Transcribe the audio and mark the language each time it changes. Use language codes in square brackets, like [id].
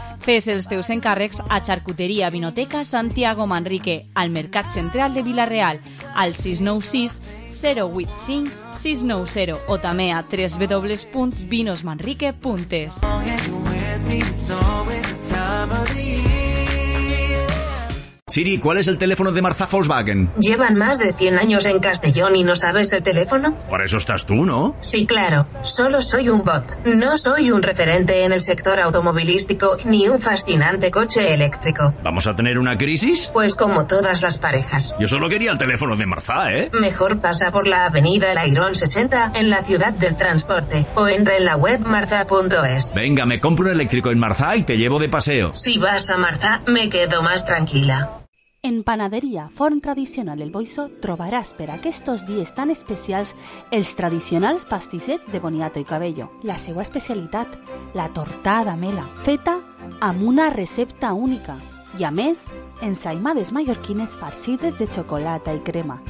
[ca] Fes els teus encàrrecs a Charcuteria Vinoteca Santiago Manrique, al Mercat Central de Vila-real, al 696-085-690 o també a www.vinosmanrique.es. [es] Siri, ¿cuál es el teléfono de Marzá Volkswagen? Llevan más de 100 años en Castellón y no sabes el teléfono. Para eso estás tú, ¿no? Sí, claro. Solo soy un bot. No soy un referente en el sector automovilístico ni un fascinante coche eléctrico. ¿Vamos a tener una crisis? Pues como todas las parejas. Yo solo quería el teléfono de Marzá, ¿eh? Mejor pasa por la avenida El Airón 60 en la ciudad del transporte o entra en la web marzá.es. Venga, me compro un eléctrico en Marzá y te llevo de paseo. Si vas a Marzá, me quedo más tranquila. [ca] En Panaderia Forn Tradicional El Boiso trobaràs per aquests dies tan especials els tradicionals pastissets de boniato i cabello. La seva especialitat, la tortada mela, feta amb una recepta única. I a més, ensaïmades mallorquines farcides de xocolata i crema.